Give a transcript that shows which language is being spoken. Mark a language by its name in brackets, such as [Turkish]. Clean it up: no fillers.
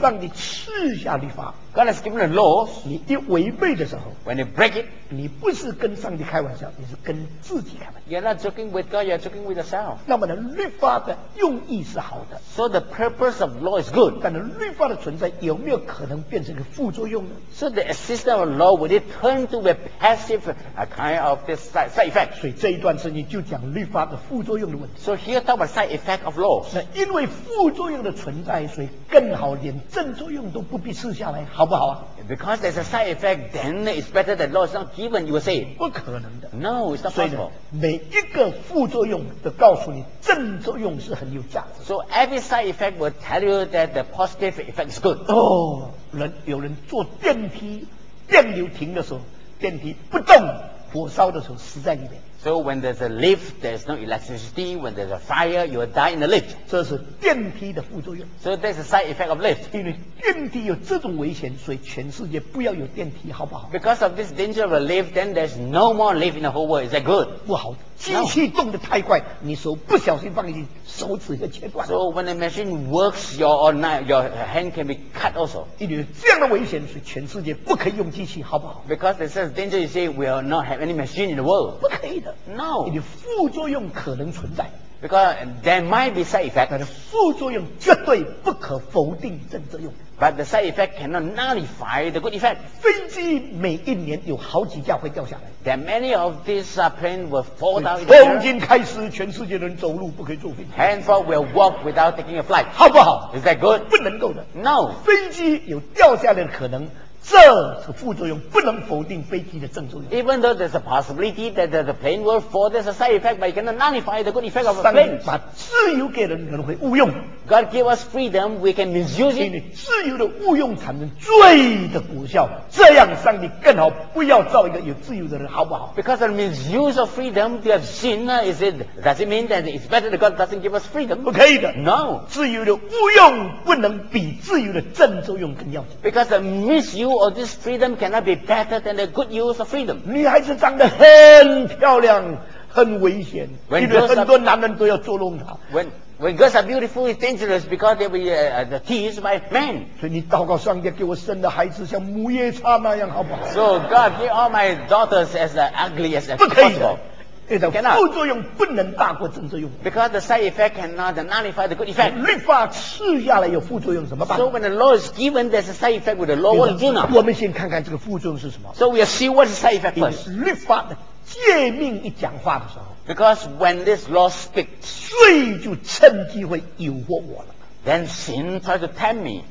[Chinese] 上帝赐下律法。 [English] God has given the laws， [Chinese] 你一违背的时候 [English] ，when you break it， [Chinese] 你不是跟上帝开玩笑，你是跟自己开玩笑。 [English] You're not joking with God, you're joking with yourself。 [Chinese] 那么呢，律法的用意是好的 [English] ，so the purpose of law is good。 [Chinese] 但是律法的存在有没有可能变成个副作用呢 [English] ？So the existence of law would it turn to a passive a kind of this side effect？ [Chinese] 所以这一段圣经就讲律法的副作用的问题。 [English] So here talk about side effect of law。 [Chinese] 那因为副作用的存在，所以更好，连正作用都不必试下来，好。不好啊、 [English] Because there's a side effect, then it's better that law is not given. You say [Chinese] 不可能的。 [English] No, it's not possible. [Chinese] 所以每一个副作用都告诉你正作用是很有价值。 [English] So every side effect will tell you that the positive effect is good. [Chinese] 哦，人有人坐电梯，电流停的时候，电梯不动，火烧的时候死在里面。 [English] So when there's a lift, there's no electricity. When there's a fire, you will die in the lift. [Chinese] 这是电梯的副作用。 [English] So that's a side effect of lift. [Chinese] 因为电梯有这种危险，所以全世界不要有电梯，好不好 [English] ？Because of this danger of a lift, then there's no more lift in the whole world. Is that good? [Chinese] 不好，机器动得太快，你手不小心放进去，手指就切断。 [English] So when the machine works, your hand can be cut also. [Chinese] 因为这样的危险，所以全世界不可以用机器，好不好 [English] ？Because there's such danger, you say we will not have any machine in the world. [Chinese] 不可以的。 [English] No， [Chinese] 你的副作用可能存在 [English] ，because there might be side effect。 [Chinese] 但是副作用绝对不可否定正作用。 [English] But the side effect cannot nullify the good effect。 [Chinese] 飞机每一年有好几架会掉下来。 [English] That many of these planes will fall down。 [Chinese] 从今开始，全世界人走路不可以坐飞机。 [English] Henceforth will walk without taking a flight， [Chinese] 好不好 [English] ？Is that good？ [Chinese] 不能够的。 [English] No， [Chinese] 飞机有掉下来的可能。这是副作用，不能否定飞机的正作用。 [English] Even though there's a possibility that the plane will fall, there's a side effect, but you cannot nullify the good effect of a plane. [Chinese] 把自由给人，人会误用。 [English] God gave us freedom, we can misuse it. [Chinese] 自由的误用产生罪的果效，这样上帝更好不要造一个有自由的人，好不好 [English] ？Because of the misuse of freedom, we have sin. Is it? Does it mean that it's better that God doesn't give us freedom? [Chinese] 不可以的。 [English] No. [Chinese] 自由的误用不能比自由的正作用更要紧。 [English] Because the misuse or this freedom cannot be better than the good use of freedom. [Chinese] 女孩子长得很漂亮，很危险，因为很多男人都要捉弄她。 [English] When girls are beautiful, it's dangerous because they will be teased by men. [Chinese] 所以你祷告上帝给我生的孩子像母夜叉那样，好不好 [English] ？So God give all my daughters as ugly as possible. [Chinese] 不可以的。副作用不能大过正作用 [English] ，because the side effect cannot nullify the good effect。 [Chinese] 律法赐下来有副作用怎么办 [English] ？So when the law is given, there's a side effect with the law. What do you know? [Chinese] 我们先看看这个副作用是什么。 [English] So we see what's the side effect first. [Chinese] 律法的诫命一讲话的时候 [English] ，because when this law speaks, [Chinese] 罪就趁机会诱惑我了。 [English] Then sin tries to tempt me.